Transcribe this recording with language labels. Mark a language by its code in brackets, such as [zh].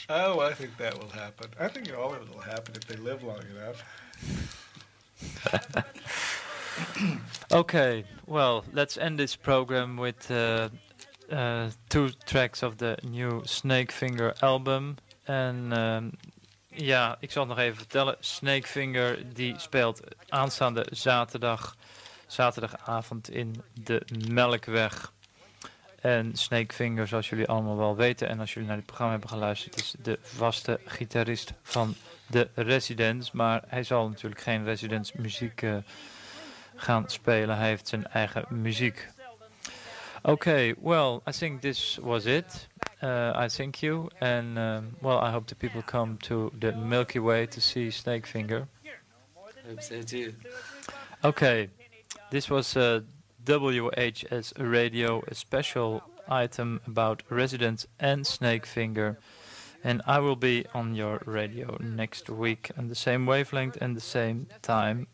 [en] Oh, I think that will happen. I think all of it will happen if they live long enough. Okay, well, let's end this program with two tracks of the new Snakefinger album. [nl] En ja, ik zal het nog even vertellen. Snakefinger die speelt aanstaande zaterdagavond in de Melkweg. En Snakefinger, zoals jullie allemaal wel weten en als jullie naar het programma hebben geluisterd, is de vaste gitarist van de Residents. Maar hij zal natuurlijk geen Residents muziek gaan spelen. Hij heeft zijn eigen muziek. [en] Okay, well, I think this was it. I thank you, and well, I hope the people come to the Milky Way to see Snakefinger. Hope so too. Okay, this was WHS Radio, a special item about Residents and Snakefinger, and I will be on your radio next week on the same wavelength and the same time.